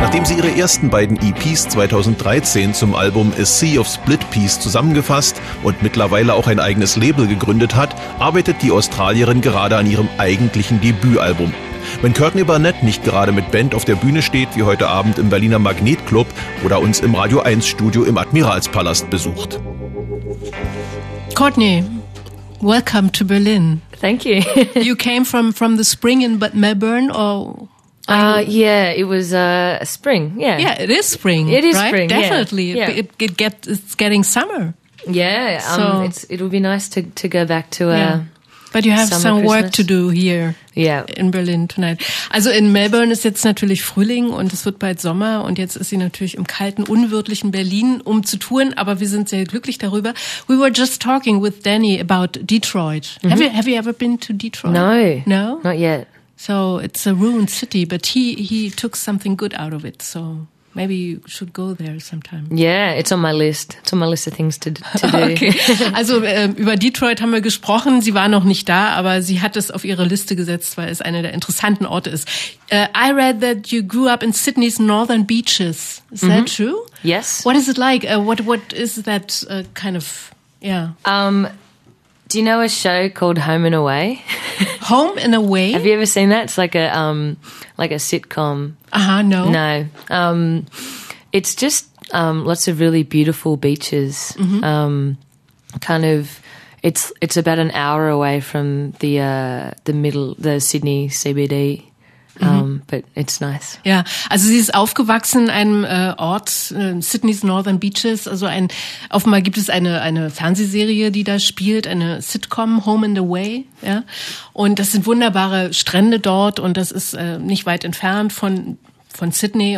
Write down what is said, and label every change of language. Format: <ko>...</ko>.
<de>Nachdem sie ihre ersten beiden EPs 2013 zum Album A Sea of Split Peas zusammengefasst und mittlerweile auch ein eigenes Label gegründet hat, arbeitet die Australierin gerade an ihrem eigentlichen Debütalbum. Wenn Courtney Barnett nicht gerade mit Band auf der Bühne steht, wie heute Abend im Berliner Magnetclub oder uns im Radio 1 Studio im Admiralspalast besucht.</de> <en>Courtney, welcome to Berlin. Thank you. You came from the spring in Melbourne, or? It was spring. Yeah. Yeah, it is spring. It is, right? Spring. Definitely. Yeah. It's getting summer. Yeah. So it'll be nice to go back to a. But you have some Christmas. Work to do here. Yeah. In Berlin tonight.</en> <de>Also in Melbourne ist jetzt natürlich Frühling und es wird bald Sommer und jetzt ist sie natürlich im kalten, unwirtlichen Berlin, um zu touren, aber wir sind sehr glücklich darüber.</de> <en>We were just talking with Danny about Detroit. Mm-hmm. Have you ever been to Detroit? No. No? Not yet. So it's a ruined city, but he took something good out of it, so maybe you should go there sometime. Yeah, it's on my list. It's on my list of things to do.</en> <de>Okay. Also über Detroit haben wir gesprochen. Sie war noch nicht da, aber sie hat es auf ihre Liste gesetzt, weil es einer der interessanten Orte ist.</de> <en>I read that you grew up in Sydney's northern beaches. Is that true? Yes. What is it like? What is that kind of, yeah? Do you know a show called Home and Away? Home and Away? Have you ever seen that? It's like a sitcom. Uh-huh, no. No. It's just lots of really beautiful beaches. Mm-hmm. Kind of, it's about an hour away from the Sydney CBD. But it's nice.</en> <de>Ja, also sie ist aufgewachsen in einem Ort, Sydney's Northern Beaches. Also offenbar gibt es eine Fernsehserie, die da spielt, eine Sitcom, Home and Away. Ja, und das sind wunderbare Strände dort und das ist nicht weit entfernt von Sydney.</de>